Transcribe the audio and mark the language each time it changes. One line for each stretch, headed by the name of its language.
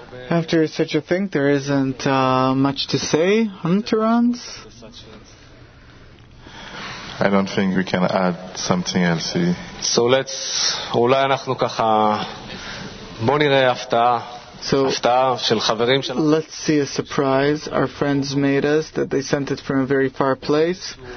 English: After such a thing, there isn't much to say, Hunterans. I don't think we can add something else.
Hebrew: So let's, אולי אנחנו ככה, בוא נראה הפתעה, הפתעה של חברים שלנו.
English: Let's see a surprise our friends made us, that they sent it from a very far place.